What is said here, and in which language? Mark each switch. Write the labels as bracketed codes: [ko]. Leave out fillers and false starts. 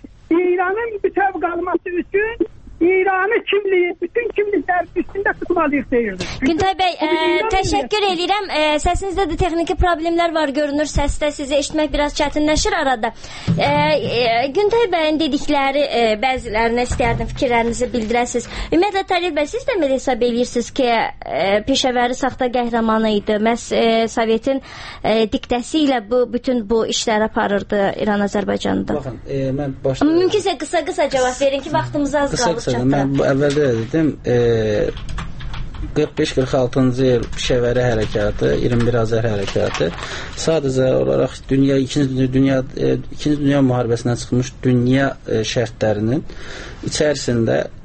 [tr] İran'ın bütün kalması için İran'ın kimliği, bütün kimlikler üstünde tutmalıyız deyirdi. Günter Bey, teşekkür ederim. Sesinizde de teknik problemler var görünür. Seste sizi eşitmek biraz çetinleşir arada. Günter Bey'in dedikleri bazılarını isterdim, fikirlerinizi bildirirsiniz. [az] Ümumiyyətlə, Talil Bey, siz de mi hesab edirsiniz ki, Pişeveri saxta qəhrəmanıydı? Məhz Sovyetin diktesiyle bu bütün bu işler aparırdı İran-Azərbaycanda? Baxın, mən başlayalım. Mümkünsə qısa-qısa cevap verin ki, vaxtımız az qalır. Mən bu əvvəldə dedim 45-46-cı il Pişeveri hərəkatı, 21 Azər hərəkatı sadəcə olaraq ikinci dünya müharibəsindən çıxmış dünya şərtlərinin içərisində